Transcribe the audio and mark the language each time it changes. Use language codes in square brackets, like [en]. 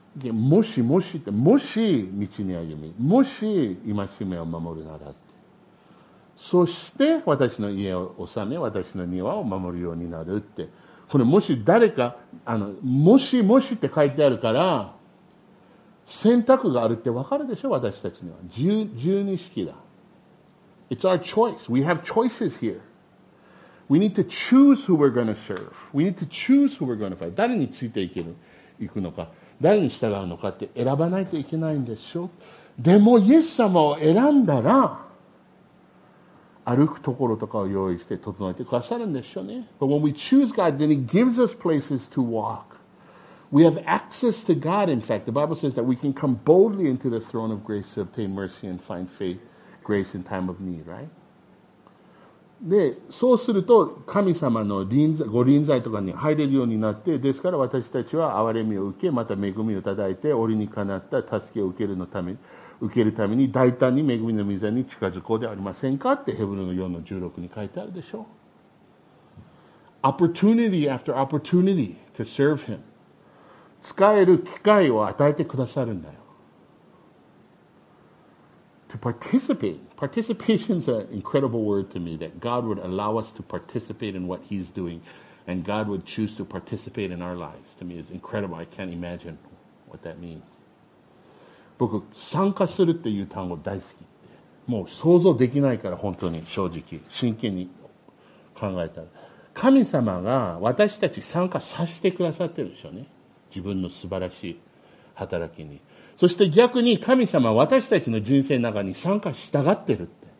[ja] もしもしって、もし道に歩み、もし戒めを守るならって、そして私の家を治め、私の庭を守るようになるって、これもし誰か、もしもしって書いてあるから、選択があるって分かるでしょ、私たちには。十二式だ。 [en] It's our choice. We have choices here. We need to choose who we're going to serve. We need to choose who we're going to fight. [ja] 誰についていける、行くのか。誰に従うのかって選ばないといけないんでしょう。でもイエス様を選んだら歩くところとかを用意して整えてくださるんでしょうね。 [en] But when we choose God, then he gives us places to walk. We have access to God. In fact, the Bible says that we can come boldly into the throne of grace to obtain mercy and find faith, grace in time of need, right? [ja] で、そうすると神様の臨在、ご臨在とかに入れるようになって、ですから私たちは憐れみを受け、また恵みをいただいて、折にかなった助けを受けるために大胆に恵みの御座に近づこうではありませんかって、ヘブルの4の16に書いてあるでしょ。 [en] Opportunity after opportunity to serve him. [ja] 使える機会を与えてくださるんだよ。 [en] To participateParticipation is an incredible word to me, that God would allow us to participate in what he's doing and God would choose to participate in our lives. To me, it's incredible. I can't imagine what that means. [ja] 僕、参加するっていう単語大好きって。もう想像できないから、本当に正直、真剣に考えたら。神様が私たち参加させてくださってるでしょうね。自分の素晴らしい働きに。そして逆に神様は私たちの人生の中に参加したがってるって。